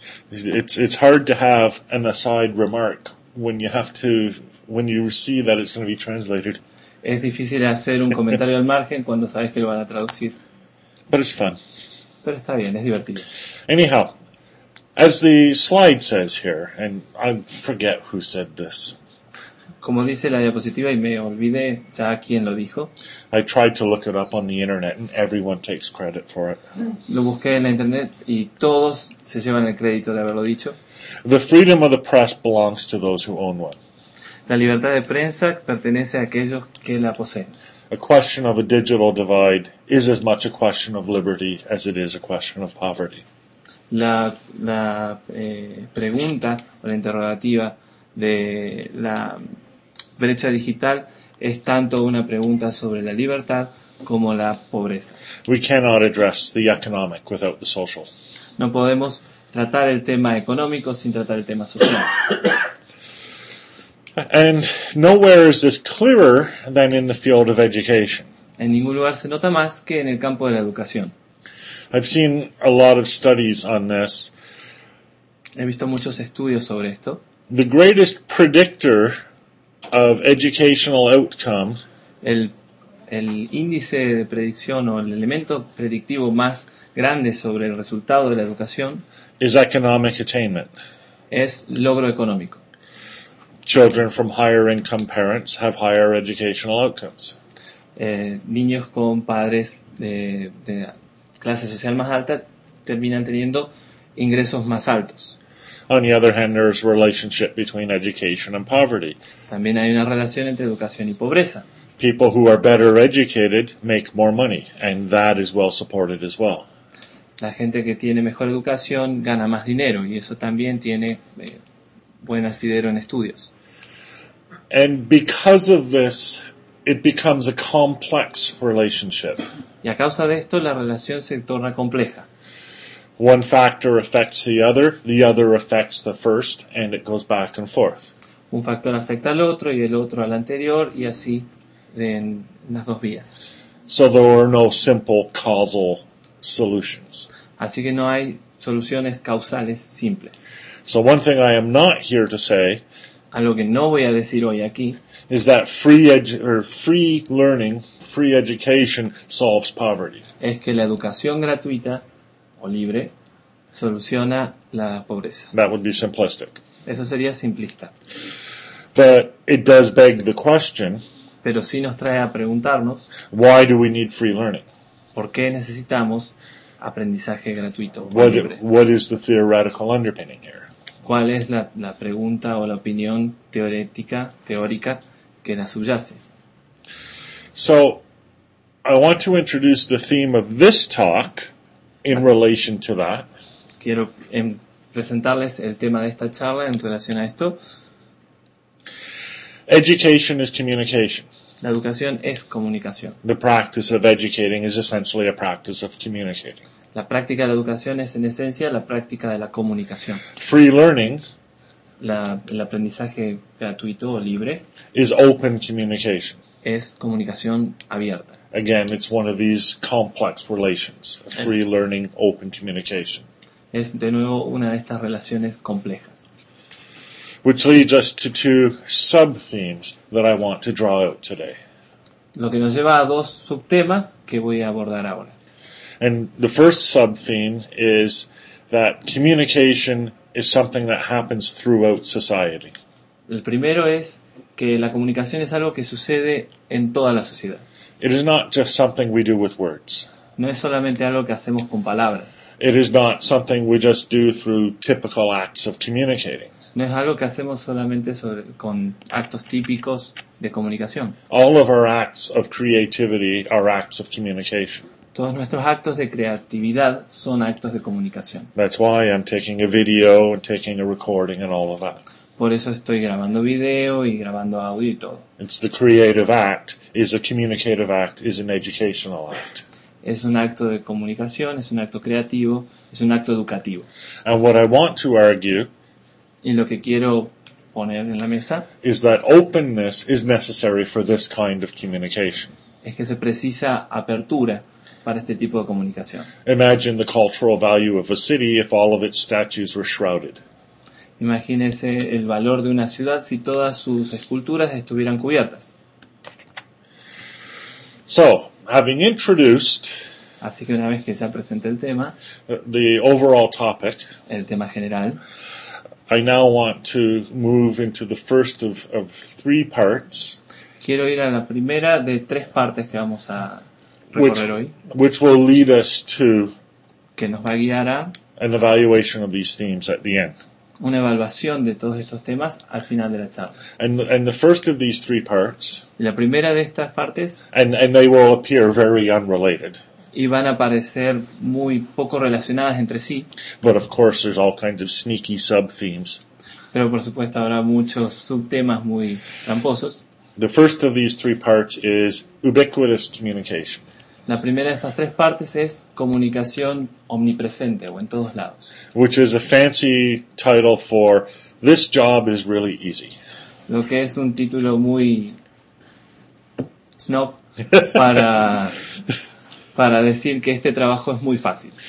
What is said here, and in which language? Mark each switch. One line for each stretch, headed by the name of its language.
English: It's hard to have an aside remark when you see that it's going to be translated.
Spanish: Es difícil hacer un comentario al margen cuando sabes que lo van a traducir.
English: But it's fun.
Spanish: Pero está bien, es divertido.
English: Anyhow, as the slide says here, and I forget who said this.
Spanish: Como dice la diapositiva, y me olvidé ya quién lo dijo.
English: I tried to look it up on the internet, and everyone takes credit for it.
Spanish: Lo busqué en la internet, y todos se llevan el crédito de haberlo dicho.
English: The freedom of the press belongs to those who own one.
Spanish: La libertad de prensa pertenece a aquellos que la poseen.
English: A question of a digital divide is as much a question of liberty as it is a question of poverty.
Spanish: La pregunta o la interrogativa de la brecha digital es tanto una pregunta sobre la libertad como la pobreza.
English: We cannot address the economic without the social.
Spanish: No podemos tratar el tema económico sin tratar el tema social.
English: And nowhere is this clearer than in the field of education.
Spanish: En ningún lugar se nota más que en el campo de la educación.
English: I've seen a lot of studies on this.
Spanish: He visto muchos estudios sobre esto.
English: The greatest predictor of educational outcomes.
Spanish: El índice de predicción o el elemento predictivo más grande sobre el resultado de la educación
English: is economic attainment.
Spanish: Es logro económico.
English: Children from higher income parents have higher educational outcomes.
Spanish: Niños con padres de clase social más alta terminan teniendo ingresos más altos.
English: On the other hand, there's a relationship between education and poverty.
Spanish: También hay una relación entre educación y pobreza.
English: People who are better educated make more money, and that is well supported as well.
Spanish: La gente que tiene mejor educación gana más dinero, y eso también tiene buen asidero en estudios.
English: And because of this, it becomes a complex relationship.
Spanish: Y a causa de esto, la relación se torna compleja.
English: One factor affects the other affects the first, and it goes back and forth.
Spanish: Un factor afecta al otro y el otro al anterior, y así en las dos vías.
English: So there are no simple causal solutions.
Spanish: Así que no hay soluciones causales simples.
English: So one thing I am not here to say,
Spanish: algo que no voy a decir hoy aquí,
English: is that free learning, free education solves poverty.
Spanish: Es que la educación gratuita o libre soluciona la pobreza.
English: That would be simplistic.
Spanish: Eso sería simplista.
English: But it does beg the question,
Spanish: pero sí nos trae a preguntarnos,
English: why do we need free learning?
Spanish: ¿Por qué necesitamos aprendizaje gratuito o libre?
English: What is the theoretical underpinning here?
Spanish: ¿Cuál es la pregunta o la opinión teórica que la subyace?
English: So, I want to introduce the theme of this talk in relation to that.
Spanish: Quiero presentarles el tema de esta charla en relación a esto.
English: Education is communication.
Spanish: La educación es comunicación.
English: The practice of educating is essentially a practice of communicating.
Spanish: La práctica de la educación es, en esencia, la práctica de la comunicación.
English: Free learning,
Spanish: el aprendizaje gratuito o libre,
English: is open communication.
Spanish: Es comunicación abierta.
English: Again, it's one of these complex relations. Free learning, open communication.
Spanish: Es, de nuevo, una de estas relaciones complejas.
English: Which leads us to two sub-themes that I want to draw out today.
Spanish: Lo que nos lleva a dos subtemas que voy a abordar ahora.
English: And the first sub-theme is that communication is something that happens throughout society.
Spanish: El primero es que la comunicación es algo que sucede en toda la sociedad.
English: It is not just something we do with words.
Spanish: No es solamente algo que hacemos con palabras.
English: It is not something we just do through typical acts of communicating.
Spanish: No es algo que hacemos solamente con actos típicos de comunicación.
English: All of our acts of creativity are acts of communication.
Spanish: Todos nuestros actos de creatividad son actos de comunicación.
English: That's why I'm taking a video and taking a recording and all of that.
Spanish: Por eso estoy grabando video y grabando audio y todo.
English: It's the creative act, is a communicative act, is an educational act.
Spanish: Es un acto de comunicación, es un acto creativo, es un acto educativo.
English: And what I want to argue,
Spanish: y lo que quiero poner en la mesa,
English: is that openness is necessary for this kind of communication.
Spanish: Es que se precisa apertura para este tipo de comunicación.
English: Imagine the cultural value of a city if all of its statues were shrouded.
Spanish: Imagínese el valor de una ciudad si todas sus esculturas estuvieran cubiertas.
English: So, having introduced,
Spanish: así que una vez que ya presenté el tema,
English: the overall topic,
Spanish: el tema general,
English: I now want to move into the first of three parts.
Spanish: Quiero ir a la primera de tres partes que vamos a
English: Which will lead us to
Spanish: que nos va a guiar a
English: an evaluation of these themes at the end.
Spanish: Una evaluación de todos estos temas al final de la charla.
English: And the first of these three parts,
Spanish: la primera de estas partes,
English: and they will appear very unrelated.
Spanish: Y van a parecer muy poco relacionadas entre sí.
English: But of course there's all kinds of sneaky sub-themes.
Spanish: Pero por supuesto habrá muchos subtemas muy tramposos.
English: The first of these three parts is ubiquitous communication.
Spanish: La primera de estas tres partes es comunicación omnipresente o en todos lados.
English: Which is a fancy title for this job is really easy.
Spanish: lo que es un título muy snob para decir que este trabajo es muy fácil.